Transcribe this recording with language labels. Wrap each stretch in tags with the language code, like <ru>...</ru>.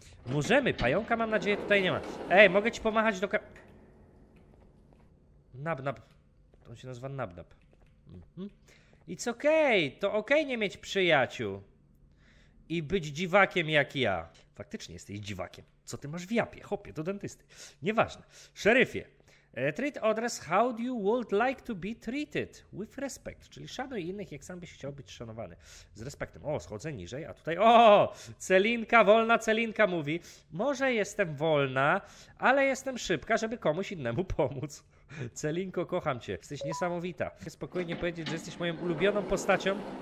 <pl>Możemy, pająka mam nadzieję tutaj nie ma. Ej, mogę ci pomachać do kar... Nabnab. To się nazywa Nabnab.</pl> <en>It's okay,</en> <pl>to okay nie mieć przyjaciół. I być dziwakiem jak ja. Faktycznie jesteś dziwakiem. Co ty masz w japie? Hopie, do dentysty. Nieważne. Szeryfie.</pl> <en>Treat others how you would like to be treated. With respect.</en> <pl>Czyli szanuj innych, jak sam byś chciał być szanowany. Z respektem. O, schodzę niżej, a tutaj... O, Celinka, wolna Celinka mówi. Może jestem wolna, ale jestem szybka, żeby komuś innemu pomóc. Celinko, kocham cię. Jesteś niesamowita. Chcę spokojnie powiedzieć, że jesteś moją ulubioną postacią.</pl>